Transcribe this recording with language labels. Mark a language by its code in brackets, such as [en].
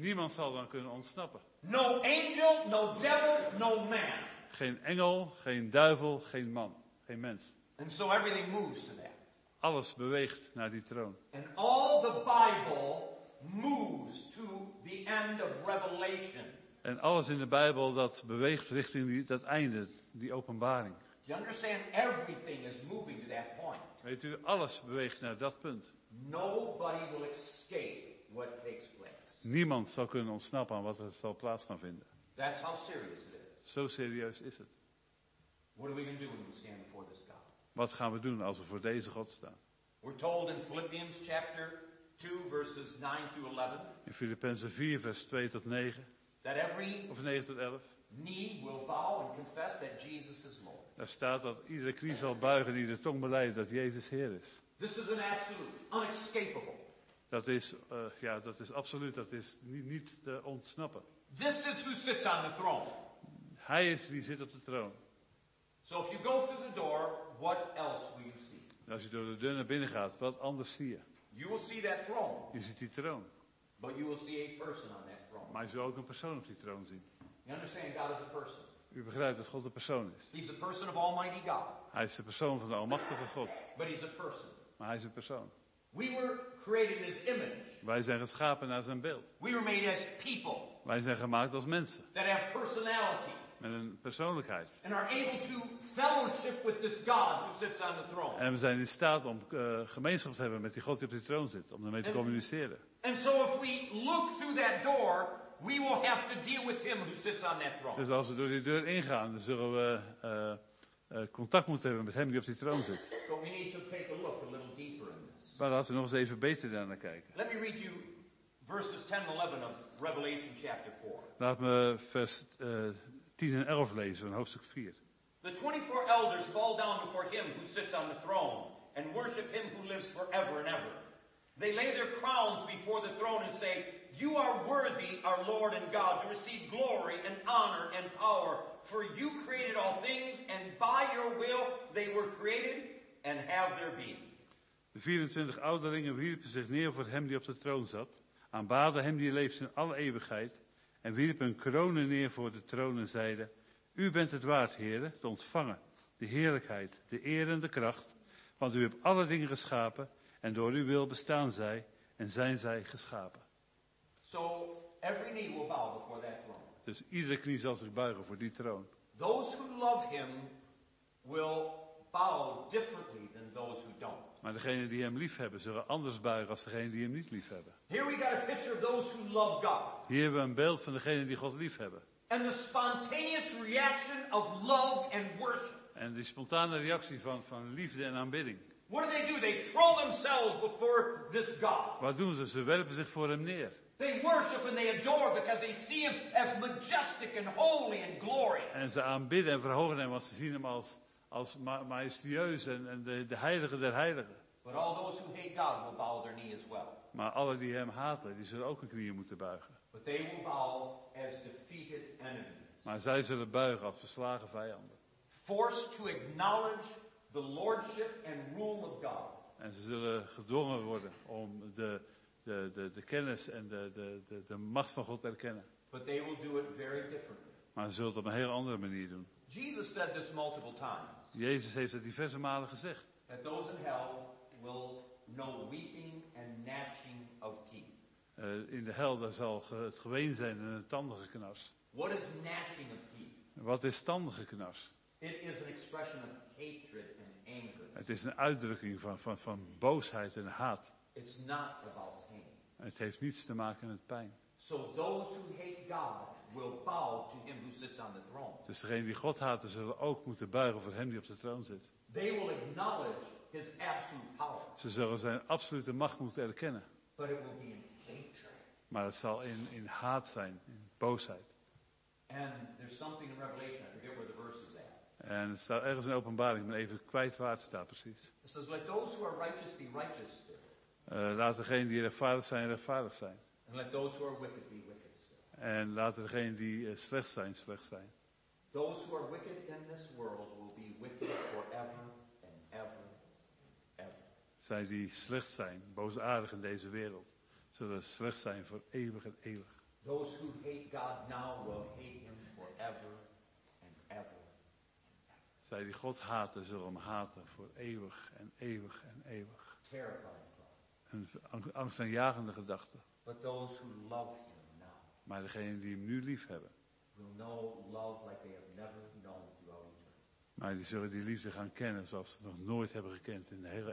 [nl] Niemand zal dan kunnen ontsnappen. [en] No angel, no devil, no man. [nl] Geen engel, geen duivel, geen man, geen mens. [en] And so everything moves to that. [nl] Alles beweegt naar die troon. [en] And all the Bible moves to the end of Revelation. [nl] En alles in de Bijbel dat beweegt richting dat einde, die openbaring. [en] You understand everything is moving to that point. [nl] Weet u, alles beweegt naar dat punt. [en] Nobody will escape what takes place. [nl] Niemand zal kunnen ontsnappen aan wat er zal plaats gaan vinden. [en] That's how serious it is. [nl] Zo serieus is het. [en] What are we gonna do when we stand before this God? [nl] Wat gaan we doen als we voor deze God staan? [en] We're told in Philippians chapter 2, verses 9 through 11. [nl] In Filippenzen 4, vers 2 tot 9. [en] That every [nl] of 9 tot 11. [en] Knee will bow and confess that Jesus is Lord. [nl] Er staat dat iedere knie zal buigen en iedere tong belijden dat Jezus Heer is. [en] This is an absolute, unescapable. [nl] Dat is absoluut, dat is niet te ontsnappen. [en] This is who sits on the throne. [nl] Hij is wie zit op de troon. [en] So if you go through the door, what else will you see? [nl] En als je door de deur naar binnen gaat, wat anders zie je? [en] You will see that throne. [nl] Je ziet die troon. [en] But you will see a person on that throne. [nl] Maar je zult ook een persoon op die troon zien. [en] You understand God is a person. [nl] U begrijpt dat God een persoon is. [en] He's the person of Almighty God. [nl] Hij is de persoon van de Almachtige God. [en] But he's a person. [nl] Maar hij is een persoon. [en] We were created as image. [nl] Wij zijn geschapen naar zijn beeld. [en] We were made as people. [nl] Wij zijn gemaakt als mensen. [en] That have personality. [nl] Met een persoonlijkheid. [en] And are able to fellowship with this God who sits on the throne. [nl] En we zijn in staat om gemeenschap te hebben met die God die op die troon zit. Om daarmee te communiceren. [en] And so if we look through that door, we will have to deal with him who sits on that throne. [nl] Dus als we door die deur ingaan, dan zullen we contact moeten hebben met hem die op die troon zit. [en] But we need to take a look a little deeper in this. [nl] Maar laten we nog eens even beter daarnaar kijken. [en] Let me read you Verses 10 and 11 of Revelation chapter 4. [nl] Laat me vers 10 en 11 lezen van hoofdstuk 4. [en] The 24 elders fall down before him who sits on the throne and worship him who lives forever and ever. They lay their crowns before the throne and say, "You are worthy, our Lord and God, to receive glory and honor and power, for you created all things, and by your will they were created and have their being." [nl] De 24 ouderlingen wierpen zich neer voor hem die op de troon zat, aanbaden hem die leeft in alle eeuwigheid, en wierpen hun kronen neer voor de troon en zeiden, "U bent het waard, Heere, te ontvangen, de heerlijkheid, de eer en de kracht, want u hebt alle dingen geschapen, en door uw wil bestaan zij, en zijn zij geschapen." [en] So, every knee will bow before that throne. [nl] Dus iedere knie zal zich buigen voor die troon. [en] Those who love him will bow differently than those who don't. [nl] Maar degenen die hem lief hebben, zullen anders buigen als degenen die hem niet lief hebben. [en] Here we got a picture of those who love God. [nl] Hier hebben we een beeld van degenen die God lief hebben. [en] And the spontaneous reaction of love and worship. [nl] En die spontane reactie van liefde en aanbidding. [en] What do? They throw themselves before this God. [nl] Wat doen ze? Ze werpen zich voor hem neer. [en] They worship and they adore because they see him as majestic and holy and glorious. [nl] En ze aanbidden en verhogen hem, want ze zien hem als majestueus en de heilige der heiligen. [en] But all those who hate God will bow their knee as well. [nl] Maar alle die hem haten, die zullen ook hun knieën moeten buigen. [en] But they will bow as defeated enemies. [nl] Maar zij zullen buigen als verslagen vijanden. [en] Forced to acknowledge the lordship and rule of God. [nl] En ze zullen gedwongen worden om de kennis en de macht van God te erkennen. [en] But they will do it very differently. [nl] Maar ze zullen het op een heel andere manier doen. [en] Jesus said this multiple times. [nl] Jezus heeft het diverse malen gezegd. [en] That those in hell will know weeping and gnashing of teeth. [nl] In de hel daar zal het geween zijn en een tandengeknars. [en] What is gnashing of teeth? [nl] Wat is tandengeknars? [en] It is an expression of hatred and anger. [nl] Het is een uitdrukking van boosheid en haat. [en] It's not about pain. [nl] Het heeft niets te maken met pijn. [en] So those who hate God will bow to him who sits on the throne. [nl] Dus degenen die God haten zullen ook moeten buigen voor hem die op de troon zit. [en] They will acknowledge his absolute power. [nl] Ze zullen zijn absolute macht moeten erkennen. [en] But it will be in hatred. [nl] Maar het zal in haat zijn, in boosheid. [en] And there's something in Revelation, I forget where the verse is at. [nl] En het staat ergens in de Openbaring, ik ben even kwijt waar het staat precies. [en] It says, "Let those who are righteous be righteous." [nl] Laat degenen die rechtvaardig zijn, rechtvaardig zijn. [en] And let those who are wicked be wicked. [nl] En laat degenen die slecht zijn, slecht zijn. [en] Those who are wicked in this world will be wicked forever and ever and ever. [nl] Zij die slecht zijn, boosaardig in deze wereld, zullen slecht zijn voor eeuwig en eeuwig. [en] Those who hate God now will hate him forever and ever and ever. [nl] Zij die God haten, zullen hem haten voor eeuwig en eeuwig en eeuwig. [en] Terrifying. [nl] Een angstaanjagende gedachte. [en] But those who love him now, [nl] maar degenen die hem nu lief hebben. [en] Will know love like they have never known throughout eternity. [nl] Maar die zullen die liefde gaan kennen zoals ze nog nooit hebben gekend in de hele